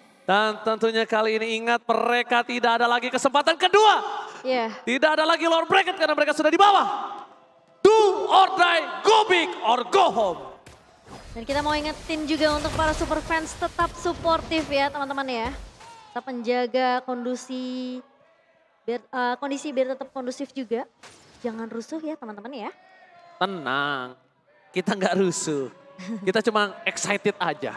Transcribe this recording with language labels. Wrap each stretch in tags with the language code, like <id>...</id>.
<id>Dan tentunya kali ini ingat mereka tidak ada lagi kesempatan kedua. Yeah. Tidak ada lagi lower bracket karena mereka sudah di bawah.</id> <en>Do or die, go big or go home.</en> <id>Dan kita mau ingetin juga untuk para super fans tetap suportif ya teman-teman ya. Tetap menjaga kondusi B kondisi biar tetap kondusif juga. Jangan rusuh ya teman-teman ya. Tenang, kita gak rusuh. Kita cuma excited aja.</id>